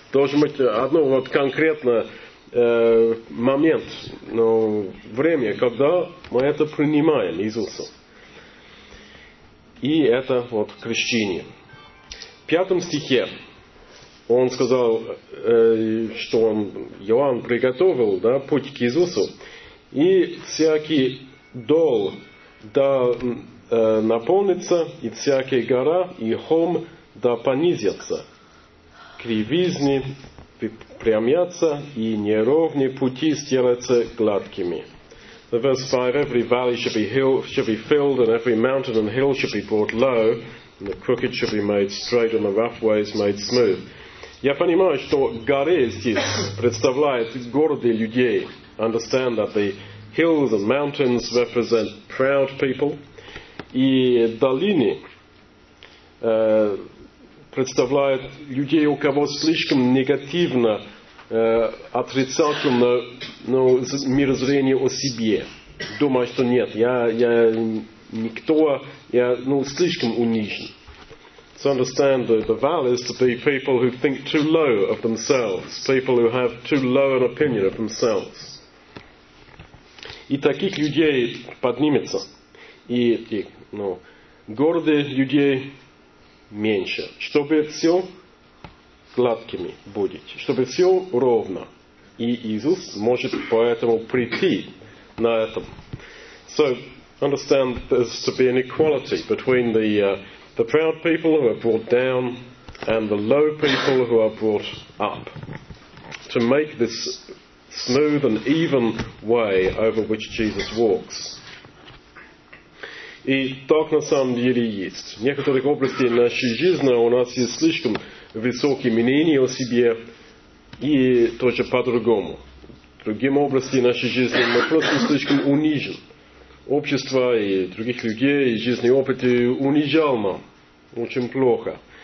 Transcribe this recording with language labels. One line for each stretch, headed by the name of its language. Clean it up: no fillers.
Russian: Должен быть одно вот конкретно момент, но время, когда мы это принимаем Иисуса. И это вот крещение. В 5 стихе он сказал, что он, Иоанн, приготовил, да, путь к Иисусу. И всякий дол да наполнится, и всякая гора и холм да понизятся. Кривизны прямятся, и неровные пути сделаются гладкими.
English: The verse 5, every valley should be filled, and every mountain and hill should be brought low, and the crooked should be made straight, and the rough ways made smooth.
Russian: Я понимаю, что горы здесь представляют гордые людей.
English: Understand that the hills and mountains represent proud people.
Russian: И долины представляет людей, у кого слишком негативно, отрицательно, ну, мировоззрение о себе. Думаю, что нет, я никто, я, ну, слишком унижен.
English: So understand the valleys to be people who think too low of themselves, people who have too low an opinion of themselves.
Russian: И таких людей поднимется. И, ну, гордые людей меньше, чтобы все гладкими будет, чтобы все ровно. И Иисус может поэтому прийти на этом.
English: So, understand there's to be an equality between the proud people who are brought down and the low people who are brought up. to make this smooth and even way over which Jesus walks.
Russian: И так на самом деле есть. В некоторых областях нашей жизни у нас есть слишком высокие мнения о себе и тоже по-другому. В других областях нашей жизни мы просто слишком унижены. Общество и других людей, и жизненный опыт унижал нам очень плохо.